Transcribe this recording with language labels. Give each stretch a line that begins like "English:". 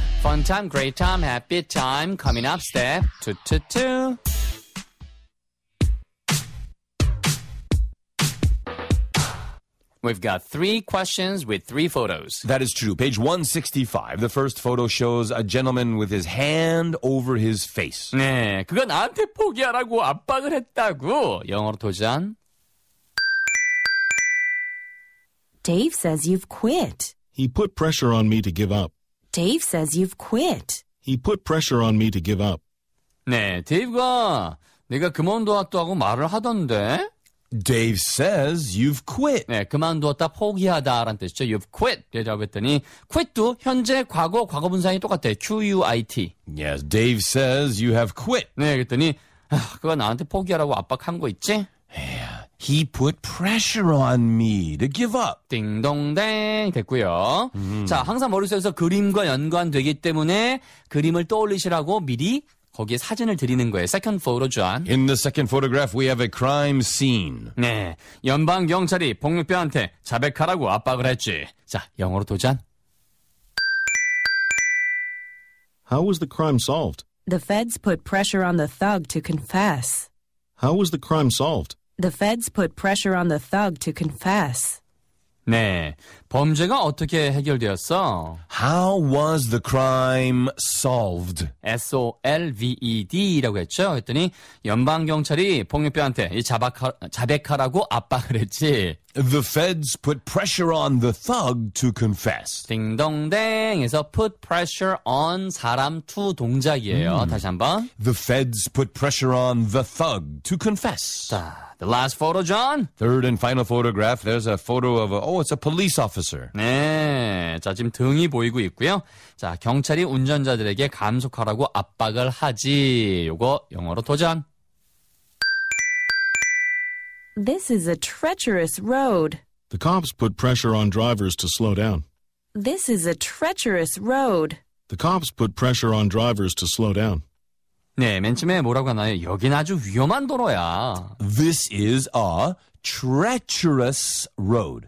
English: Fun time, great time, happy time. Coming up, step two, two, two. We've got three questions with three photos. That is true. Page 165. The first photo shows a gentleman with his hand over his face.
Korean: 네, 그거 나한테 포기하라고 압박을 했다고. 영어로 도전.
English: Dave says you've quit. He put pressure on me to give up. Dave says you've quit. He put pressure on me to give up.
Korean: 네, 데이브가 네가 그만두었다고 말을 하던데.
English: Dave says you've quit.
Korean: 네, 그만두었다, 포기하다라는 뜻이죠.
English: You've quit.
Korean: 대답 했더니 quit도 현재 과거 과거분사형이 똑같아요.
English: Q-U-I-T. Yes, Dave says you have quit.
Korean: 네, 그랬더니 그가 나한테 포기하라고 압박한 거 있지?
English: Yeah, he put pressure on me to give up.
Korean: 띵동댕 됐고요. 자, 항상 머릿속에서 그림과 연관되기 때문에 그림을 떠올리시라고 미리 거기에 사진을 드리는 거예요.
English: Second photo, John. In the second photograph, we have a crime scene.
Korean: 네, 연방 경찰이 폭력배한테 자백하라고 압박을 했지. 자, 영어로 도전.
English: How was the crime solved? The feds put pressure on the thug to confess. How was the crime solved? The feds put pressure on the thug to confess.
Korean: 네, 범죄가 어떻게 해결되었어?
English: How was the crime solved?
Korean: S-O-L-V-E-D라고 했죠? 했더니 연방경찰이 폭력배한테 자백하라고 압박을 했지.
English: The feds put pressure on the thug to confess.
Korean: 딩동댕에서
English: put pressure on
Korean: 사람 to 동작이에요. 다시 한번.
English: The feds put pressure on the thug to confess. 자. The last photo, John. Third and final photograph. There's a photo of a, oh, it's a police officer.
Korean: 네, 자 지금 등이 보이고 있고요. 자 경찰이 운전자들에게 감속하라고 압박을 하지. 요거 영어로 도전.
English: This is a treacherous road. The cops put pressure on drivers to slow down. This is a treacherous road. The cops put pressure on drivers to slow down.
Korean: 네, 맨 처음에 뭐라고 하나요? 여긴 아주 위험한 도로야.
English: This is a treacherous road.